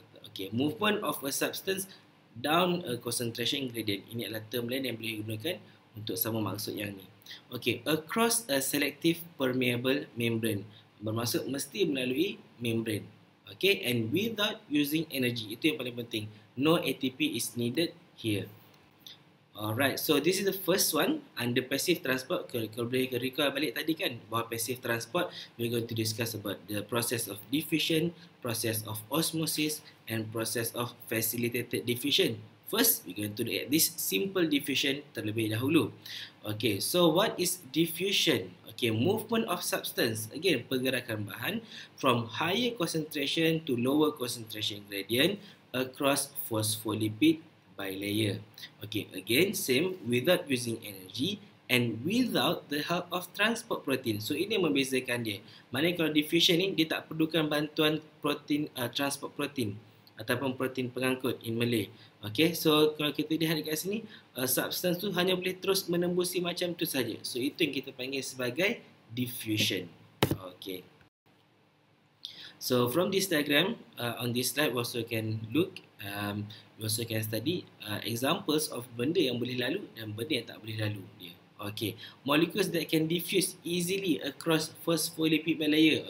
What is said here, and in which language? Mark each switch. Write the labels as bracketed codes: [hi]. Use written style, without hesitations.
[en] Okay, movement of a substance down a concentration gradient. [ms] Ini adalah term lain yang boleh digunakan untuk sama maksud yang ni. Okay, [en] across a selective permeable membrane. [ms] Bermaksud mesti melalui membrane. Okay, [en] and without using energy. [ms] Itu yang paling penting. [en] No ATP is needed here. Alright, so this is the first one under passive transport. [ms] Kalau boleh recall balik tadi kan, bahawa [en] passive transport, we're going to discuss about the process of diffusion, process of osmosis, and process of facilitated diffusion. First, we're going to look at this simple diffusion [ms] terlebih dahulu. [en] Okay, so what is diffusion? Okay, movement of substance. Again, [ms] pergerakan bahan [en] from higher concentration to lower concentration gradient across phospholipid bilayer. Okay, again, same without using energy and without the help of transport protein. [ms] So, ini membezakan dia. Maknanya kalau diffusion ni, dia tak perlukan bantuan protein, transport protein ataupun protein pengangkut [en] in Malay. [ms] Okay, so kalau kita lihat dekat sini, substance tu hanya boleh terus menembusi macam tu saja. So itu yang kita panggil sebagai diffusion. [en] Okay, so from this diagram, on this slide also can look You also can study examples of [ms] benda yang boleh lalu dan benda yang tak boleh lalu dia. [en] Okay, molecules that can diffuse easily across phospholipid layer.